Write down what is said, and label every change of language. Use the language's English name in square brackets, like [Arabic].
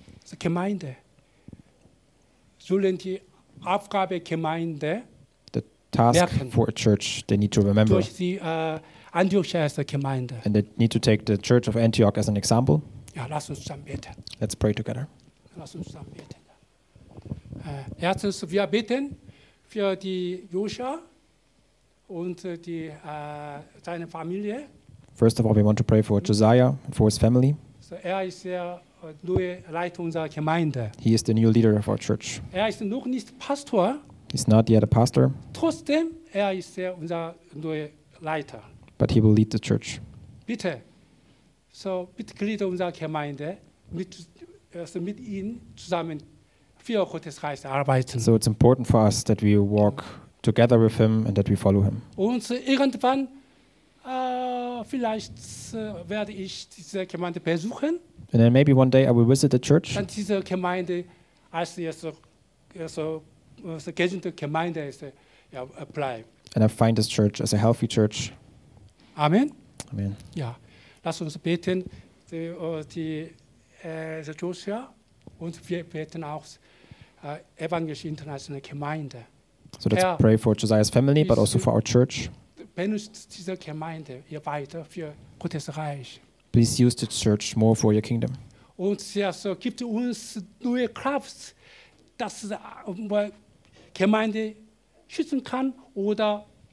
[German] Die Gemeinde. Sollen die Aufgabe Gemeinde [English] task for a church, they need to remember. And they need to take the church of Antioch as an example. [German] Ja, lass uns zusammen beten. [English] Let's pray together. [German] Lass uns zusammen beten. Erstens, wir beten für die Joshua und die seine Familie. [English] First of all, we want to pray for Josiah and for his family. [German] So ist der neue Leiter unserer Gemeinde. [English] He is the new leader of our church. [German] Ist noch nicht Pastor. [English] He's not yet a pastor. [German] Trotzdem, ist unser neuer Leiter. [English] But he will lead the church. [German] Bitte. So, bitte glieder unserer Gemeinde mit ihm zusammen für Gottes Reich arbeiten. [English] So it's important for us that we walk together with him and that we follow him. [German] Und irgendwann vielleicht werde ich diese Gemeinde besuchen. [English] And then maybe one day I will visit the church. [German] Dann diese Gemeinde als [English] and I find this church as a healthy church. Amen. Amen. Ja. [German] Lass uns beten die Joshua und wir beten auch Evangelische Internationale Gemeinde. [English] So let's pray for Josiah's family, but also for our church. [German] Benutzt diese Gemeinde ihr weiter für Gottes Reich. [English] Please use this church more for your kingdom. [German] Und so gibt uns neue Kraft, dass Gemeinde schützen kann oder